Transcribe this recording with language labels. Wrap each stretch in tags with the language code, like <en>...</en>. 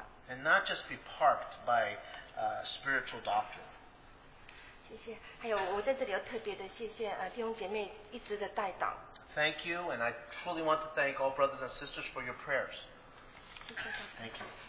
<en>And not just be parked by spiritual doctrine.</en> <zh>谢谢，还有我在这里要特别的谢谢弟兄姐妹一直的带导。</zh> <en>Thank you, and I truly want to thank all brothers and sisters for your prayers.</en> <zh>谢谢。</zh> <en>Thank you.</en>